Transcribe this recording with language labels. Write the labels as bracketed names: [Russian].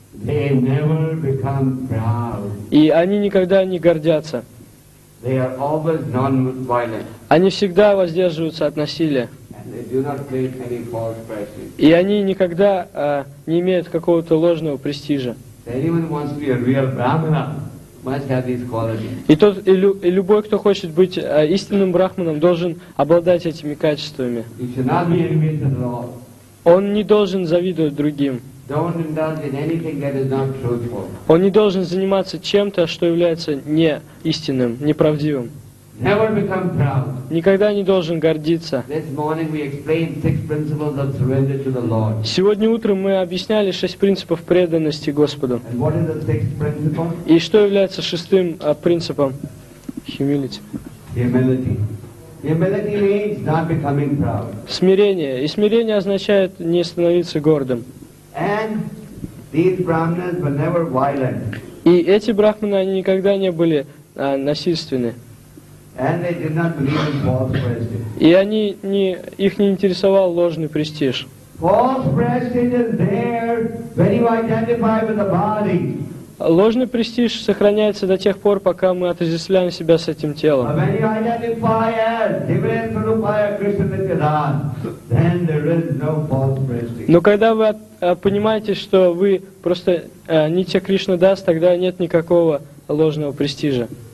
[English] They never become proud. [Russian] И они никогда не гордятся. [English] They are always non-violent. [Russian] Они всегда воздерживаются от насилия. [English] They do not claim any false prestige. [Russian] И они никогда не имеют какого-то ложного престижа. [English] Anyone who wants to be a real brahmana must have these qualities. [Russian] И любой, кто хочет быть истинным брахманом, должен обладать этими качествами. [English] He should not be envious at all. [Russian] Он не должен завидовать другим. [English] Don't indulge in anything that is not truthful. [Russian] Он не должен заниматься чем-то, что является неистинным, неправдивым. [English] Never become proud. [Russian] Никогда не должен гордиться. [English] This morning we explained 6 principles of surrender to the Lord. [Russian] Сегодня утром мы объясняли 6 принципов преданности Господу. [English] And what is the 6th principle? [Russian] И что является 6-м принципом? [English] Humility. Humility. Humility means not becoming proud. [Russian] Смирение. И смирение означает не становиться гордым. [English] And these brahmanas were never violent. [Russian] И эти брахманы, они никогда не были насильственны. [English] And they did not believe in false prestige. [Russian] И они их не интересовал ложный престиж. [English] False prestige is there when you identify with the body. [Russian] Ложный престиж сохраняется до тех пор, пока мы отождествляем себя с этим телом. [English] When you identify as Divinity Swarupaya Krishna Nityananda, then there is no false prestige. [Russian] Но когда вы понимаете, что вы просто Нитья Кришна Дас, тогда нет никакого ложного престижа.